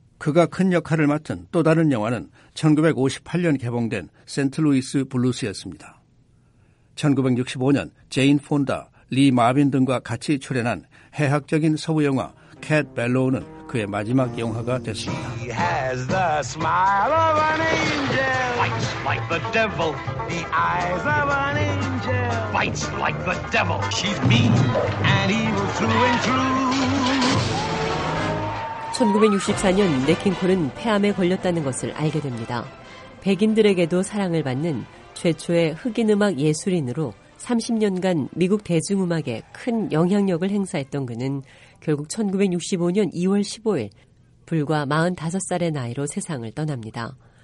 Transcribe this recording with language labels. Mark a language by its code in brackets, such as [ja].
[ko] 그가 큰 역할을 맡은 또 다른 영화는 1958년 개봉된 세인트루이스 블루스였습니다. 1965년 제인 폰다, 리 마빈 등과 같이 출연한 해학적인 서부 영화 캣 벨로우는 그의 마지막 영화가 됐습니다. [en] She has the smile of an angel. Fights like the devil. The eyes of an angel. Fights like the devil. She's mean and evil through and through. [ko] 1964년 네킹 콜은 폐암에 걸렸다는 것을 알게 됩니다. 백인들에게도 사랑을 받는 최초의 흑인 음악 예술인으로 30년간 미국 대중음악에 큰 영향력을 행사했던 그는 결국 1965년 2월 15일 불과 45살의 나이로 세상을 떠납니다.